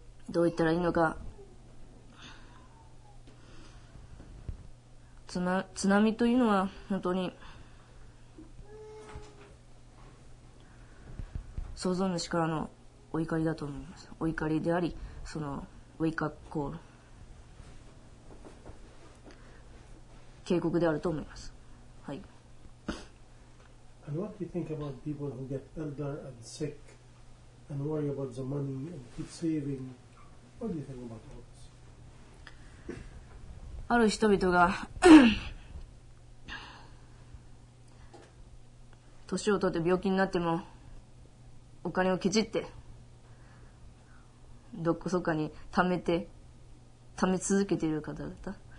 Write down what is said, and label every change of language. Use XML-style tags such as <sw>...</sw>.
<ja>どう言ったらいいのか、津波というのは本当に創造主からのお怒りだと思います。お怒りであり、そのウェイクアップコール警告であると思います。はい。</ja> <en>And what do you think about people who get elder and sick and worry about the money and keep saving? What do you think about all this?</en> <ja>ある人々が年を取って病気になってもお金をけじってどこそかに貯め続けている方だった。</ja>